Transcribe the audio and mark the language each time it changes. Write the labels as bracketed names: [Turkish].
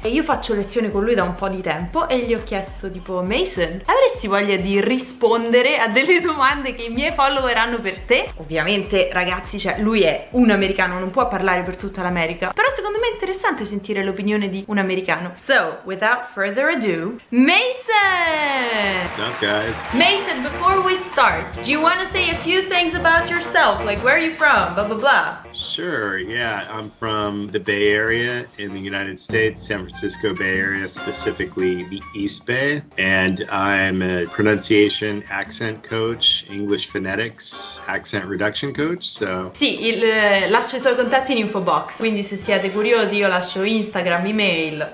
[Italian] E io faccio lezione con lui da un po' di tempo e gli ho chiesto tipo: Mason, avresti voglia di rispondere a delle domande che i miei follower hanno per te? Ovviamente, ragazzi, cioè lui è un americano, non può parlare per tutta l'America, però secondo me è interessante sentire l'opinione di un americano. [English] So, without further ado, Mason! What's up, guys? Mason, before we start, do you want to say a few things about yourself? Like, where are you from? Blah, blah, blah. Sure, yeah, I'm from the Bay Area in the United States, San Francisco Bay Area, specifically the East Bay, and I'm a pronunciation accent coach, English phonetics accent reduction coach, so... [Italian] Sì, lascio i suoi contatti in info box, quindi se siete curiosi io lascio Instagram, email.